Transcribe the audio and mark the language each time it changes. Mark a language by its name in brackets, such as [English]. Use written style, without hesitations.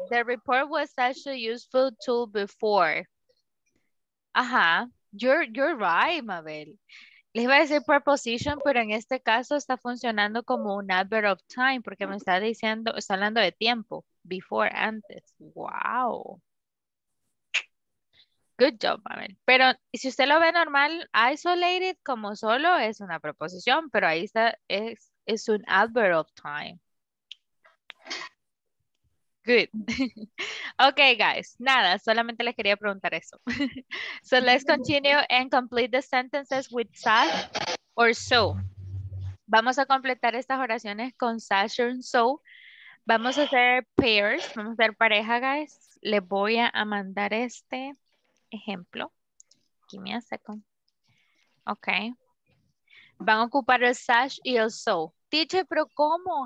[English] The report was such a useful tool before. Ajá. You're right, Mabel. [Spanish] Les iba a decir preposition, pero en este caso está funcionando como un adverb of time porque me está diciendo, está hablando de tiempo. [English] Before, [Spanish] antes. [English] Wow. Good job, Mabel. [Spanish] Pero si usted lo ve normal, isolated, como solo, es una preposición, pero ahí está, es un adverb of time. [English] Good. Okay, guys. [Spanish] Nada, solamente les quería preguntar eso. [English] So let's continue and complete the sentences with such or so. [Spanish] Vamos a completar estas oraciones con such or so. Vamos a hacer pairs, vamos a hacer pareja, guys. Les voy a mandar este ejemplo. [English] Give me a second. Okay. [Spanish] Van a ocupar el such y el so. Teacher, pero ¿cómo?